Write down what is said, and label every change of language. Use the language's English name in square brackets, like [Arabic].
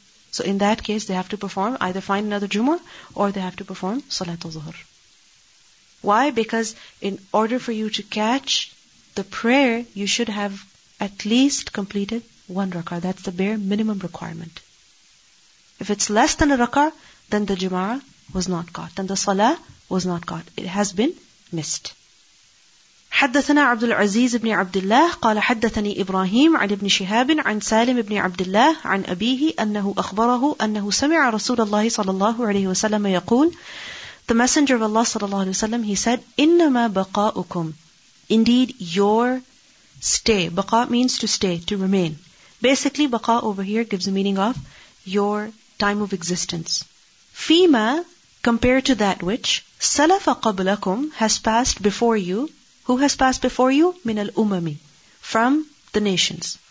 [English] So in that case, they have to perform, either find another Jumu'ah, or they have to perform Salatul Zuhr. Why? Because in order for you to catch the prayer, you should have at least completed one rak'ah. That's the bare minimum requirement. If it's less than a rak'ah, then the Jumu'ah was not caught. Then the Salah was not caught. It has been missed. [Arabic] حدثنا عبد العزيز بن عبد الله قال حدثني إبراهيم عن ابن شهاب عن سالم بن عبد الله عن أبيه أنه أخبره أنه سمع رسول الله صلى الله عليه وسلم يقول [English] The Messenger of Allah صلى الله عليه وسلم, he said, [Arabic] إنما بقاؤكم, [English] indeed your stay. بقاء means to stay, to remain. Basically, بقاء over here gives the meaning of your time of existence. فيما, compared to that which [Arabic] سلف قبلكم, [English] has passed before you. Who has passed before you? Min al-umami, from the nations.